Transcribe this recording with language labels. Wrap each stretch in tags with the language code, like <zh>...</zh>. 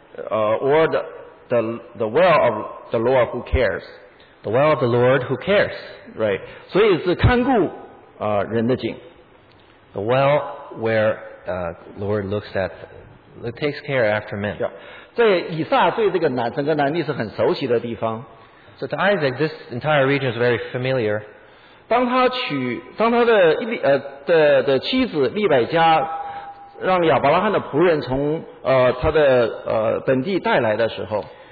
<en>Or the well of the Lord who cares. The well of the Lord who cares.</en> <zh>Right. 所以是看顾。人的井</zh> <en>The well where Lord looks at takes care after men.</en> <zh>在以撒对这个南整个南地是很熟悉的地方。</zh> <en>So to Isaac, this entire region is very familiar.</en> <zh>当他的的妻子利百加让亚伯拉罕的仆人从他的本地带来的时候</zh>